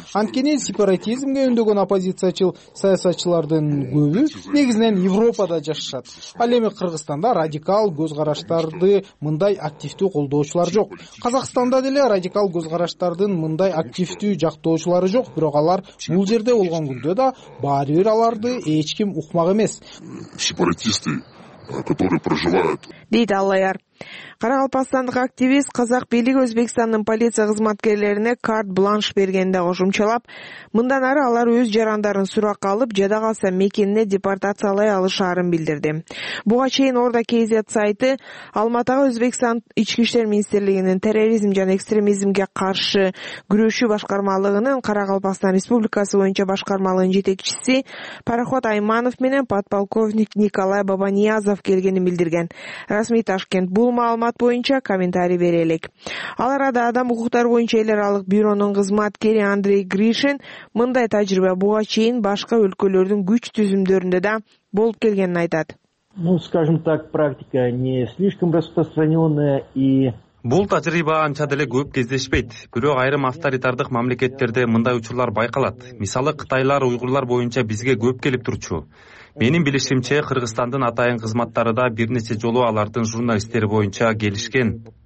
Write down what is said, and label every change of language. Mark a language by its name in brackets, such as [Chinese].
[Kyrgyz] Анткени сепаратизмге үндөгөн оппозициячыл саясатчылардын көбү негизинен Европада жашашат. Ал эми Кыргызстанда радикал көз караштарды мындай активдүү колдоочулар жок. Казакстанда деле радикал көз караштардын мындай активдүү жактоочулары жок, бирок алар бул жерде болгон күндө да баары бир аларды эч ким укмак эмес. [Russian] Сепаратисты, которые проживают. [Kyrgyz] Дейт Аллаяр. Каракалпакстандык активист казак бийлиги Өзбекстандын полиция кызматкерлерине карт-бланш бергенде кошумчалап, мындан ары алар өз жарандарын суракка алып, жада калса мекенине депортациялай алышаарын билдирди. Буга чейин Орда КЗ сайты Алматыга Өзбекстан ички иштер министрлигинин терроризм жана экстремизмге каршы күрөшүү башкармалыгынын Каракалпакстан Республикасы боюнча башкармалыгынын жетекчиси Пароход Айманов менен подполковник Николай Бабаниязов келгенин билдирген. Расмий Ташкент бул маалымат боюнча комментарий бере элек. Ал арада адам укуктары боюнча эл аралык бюронун кызматкери Андрей Гришин мындай тажрыйба буга чейин башка өлкөлөрдүн күч түзүмдөрүндө да болуп келгенин айтат. [Russian] Ну, скажем так, практика не слишком распространенная и [Kyrgyz] бул тажрыйба анча деле көп кездешпейт. Бирок айрым авторитардык мамлекеттерде мындай учурлар байкалат. Мисалы, кытайлар, уйгурлар боюнча бизге көп келип турчу. Менин билишимче, Кыргызстандын атайын кызматтары да бир нече жолу алардын журналисттери боюнча келишкен.